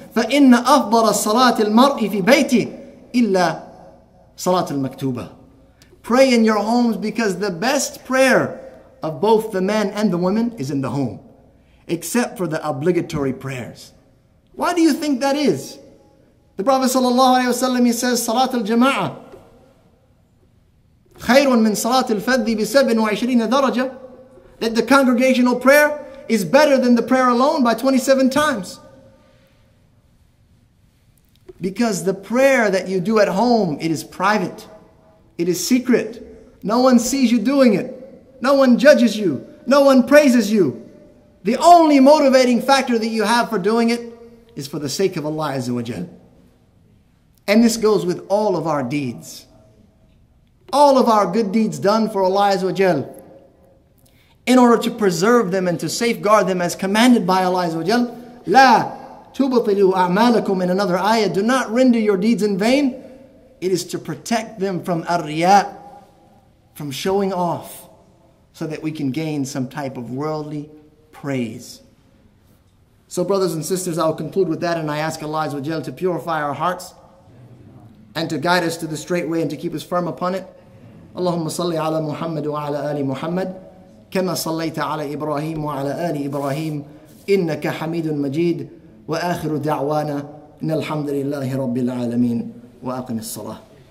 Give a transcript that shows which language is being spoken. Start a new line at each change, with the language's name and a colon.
Arabic: فَإِنَّ أَفْضَرَ الصَّلَاةِ الْمَرْءِ فِي بَيْتِهِ إِلَّا صَلَاةِ الْمَكْتُوبَةِ.
English: Pray in your homes because the best prayer of both the man and the woman is in the home, except for the obligatory prayers. Why do you think that is? The Prophet sallallahu alaihi wasallam, he says,
Arabic: صَلَاةُ الْجَمَاعَةِ خَيْرٌ مِنْ صَلَاةِ الْفَذِّ بِسَبْعٍ دَرَجَةً.
English: That the congregational prayer is better than the prayer alone by 27 times. Because the prayer that you do at home, it is private. It is secret. No one sees you doing it. No one judges you. No one praises you. The only motivating factor that you have for doing it is for the sake of Allah Azza wa Jal. And this goes with all of our deeds. All of our good deeds done for Allah Azza wa Jal, in order to preserve them and to safeguard them as commanded by Allah Azza wa Jal.
Arabic: La tubtilu a'malakum,
English: in another ayah, do not render your deeds in vain. It is to protect them from ar-riya, from showing off, so that we can gain some type of worldly praise. So brothers and sisters, I'll conclude with that, and I ask Allah Azza wa Jal to purify our hearts and to guide us to the straight way and to keep us firm upon it.
Arabic: Allahumma salli ala Muhammad wa ala ali Muhammad. كما صليت على إبراهيم وعلى آل إبراهيم إنك حميد مجيد وآخر دعوانا إن الحمد لله رب العالمين وأقم الصلاة.